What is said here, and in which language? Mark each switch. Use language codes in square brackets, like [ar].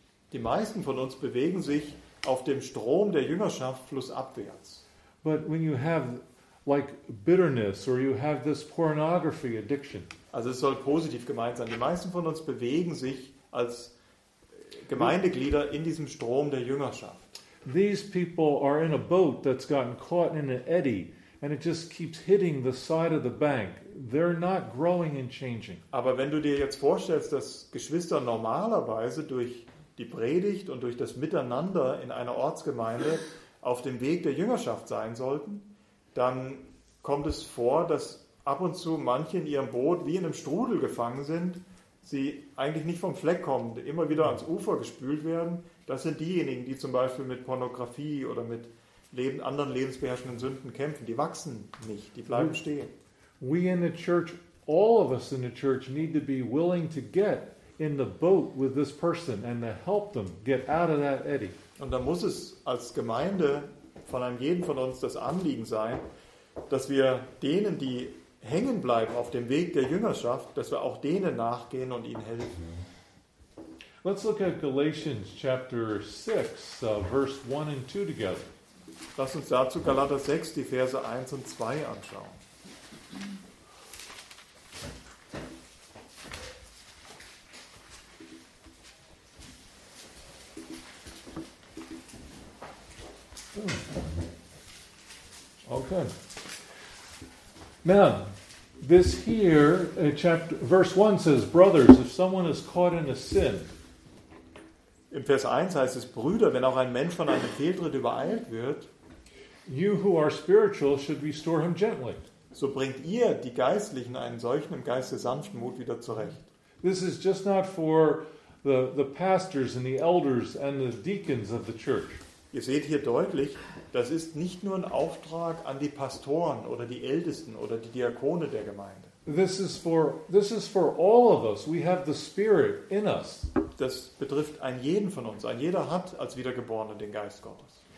[de] Die meisten von uns bewegen sich auf dem Strom der Jüngerschaft flussabwärts. [en] But when you have like bitterness or you have this pornography addiction. [de] Also es soll positiv gemeint sein. Die meisten von uns bewegen sich als Gemeindeglieder in diesem Strom der Jüngerschaft. [en] These people are in a boat that's gotten caught in an eddy and it just keeps hitting the side of the bank. They're not growing and changing. [de] Aber wenn du dir jetzt vorstellst, dass Geschwister normalerweise durch die Predigt und durch das Miteinander in einer Ortsgemeinde auf dem Weg der Jüngerschaft sein sollten, dann kommt es vor, dass ab und zu manche in ihrem Boot wie in einem Strudel gefangen sind, sie eigentlich nicht vom Fleck kommen, immer wieder ans Ufer gespült werden. Das sind diejenigen, die zum Beispiel mit Pornografie oder mit anderen lebensbeherrschenden Sünden kämpfen. Die wachsen nicht, die bleiben stehen. [en] We in the church, all of us in the church need to be willing to get in the boat with this person and to help them get out of that eddy. [de] Und da muss es als Gemeinde von einem jeden von uns das Anliegen sein, dass wir denen, die hängen bleiben auf dem Weg der Jüngerschaft, dass wir auch denen nachgehen und ihnen helfen. [en] Let's look at Galatians chapter 6, verse 1 and 2 together. [de] Lass uns dazu Galater 6 die Verse 1 und 2 anschauen. [en] Okay. Now, this here, chapter, verse 1 says, brothers, if someone is caught in a sin. [de] In Vers 1 heißt es, Brüder, wenn auch ein Mensch von einem Fehltritt übereilt wird, [en] you who are spiritual should restore him gently. [de] So bringt ihr die Geistlichen einen solchen im Geiste Sanftmut wieder zurecht. [en] This is just not for the pastors and the elders and the deacons of the church. [de] Ihr seht hier deutlich, das ist nicht nur ein Auftrag an die Pastoren oder die Ältesten oder die Diakone der Gemeinde. [en] This is for all of us. We have the Spirit in us. [de] Das betrifft einen jeden von uns. Ein jeder hat als Wiedergeborener den Geist Gottes.